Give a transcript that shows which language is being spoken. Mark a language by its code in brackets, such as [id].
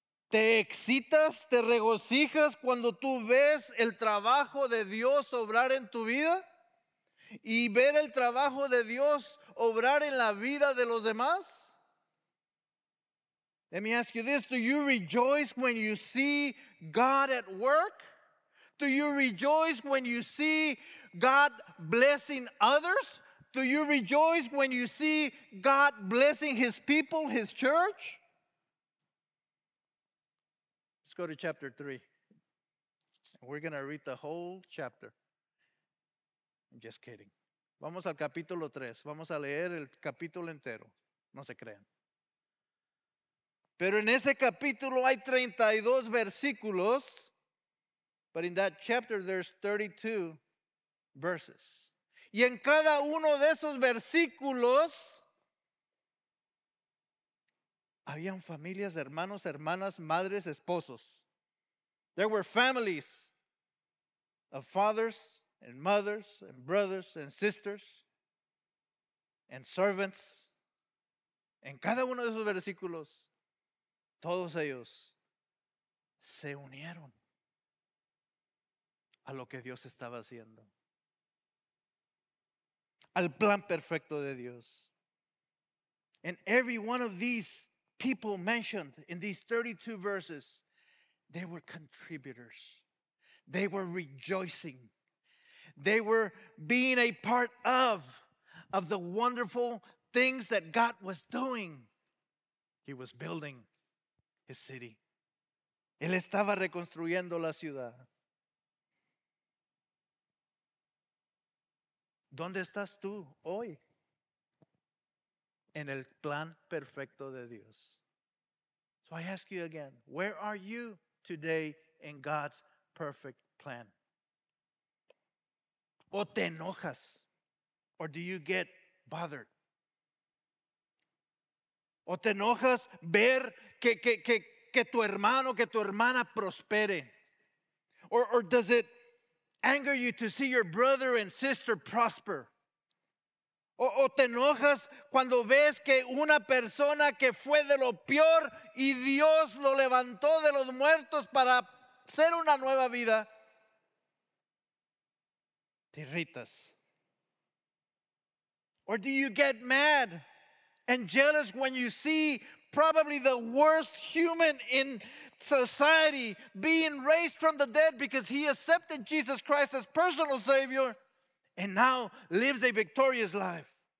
[es] ¿Te excitas, te regocijas cuando tú ves el trabajo de Dios obrar en tu vida? y ver el trabajo de Dios obrar en la vida de los demás? [en] Let me ask you this. Do you rejoice when you see God at work? Do you rejoice when you see God blessing others? Do you rejoice when you see God blessing his people, his church? Let's go to chapter 3. We're going to read the whole chapter. I'm just kidding. [es] Vamos al capítulo 3. Vamos a leer el capítulo entero. No se crean. Pero en ese capítulo hay 32 versículos. [en] But in that chapter there's 32 verses. [es] Y en cada uno de esos versículos habían familias, hermanos, hermanas, madres, esposos. [en] There were families of fathers and mothers and brothers and sisters and servants. [es] En cada uno de esos versículos, todos ellos se unieron a lo que Dios estaba haciendo. Al plan perfecto de Dios. [en] And every one of these people mentioned in these 32 verses, they were contributors. They were rejoicing. They were being a part of the wonderful things that God was doing. He was building his city. [es] Él estaba reconstruyendo la ciudad. ¿Dónde estás tú hoy? En el plan perfecto de Dios. [en] So I ask you again, where are you today in God's perfect plan? [es] ¿O te enojas? [en] Or do you get bothered? [es] ¿O te enojas ver que tu hermano, que tu hermana prospere? [en] Or does it anger you to see your brother and sister prosper? [es] ¿O te enojas cuando ves que una persona que fue de lo peor y Dios lo levantó de los muertos para ser una nueva vida? ¿Te irritas? [en] Or do you get mad and jealous when you see probably the worst human in society being raised from the dead because he accepted Jesus Christ as personal Savior and now lives a victorious life?